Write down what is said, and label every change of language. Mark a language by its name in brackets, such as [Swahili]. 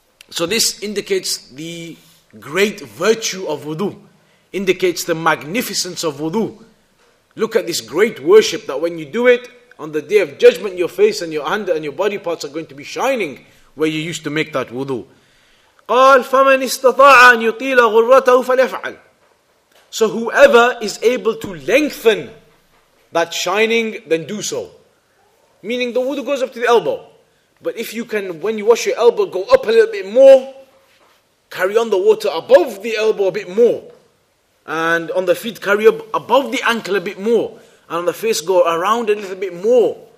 [English] So this indicates the great virtue of wudu. Indicates the magnificence of wudu. Look at this great worship that when you do it, on the Day of Judgment, your face and your hand and your body parts are going to be shining where you used to make that wudu. [Arabic] قال فمن استطاع أن يطيل غرته فليفعل. [English] So whoever is able to lengthen that shining, then do so. Meaning the wudu goes up to the elbow. But if you can, when you wash your elbow, go up a little bit more, carry on the water above the elbow a bit more. And on the feet, carry up above the ankle a bit more. And on the face, go around a little bit more.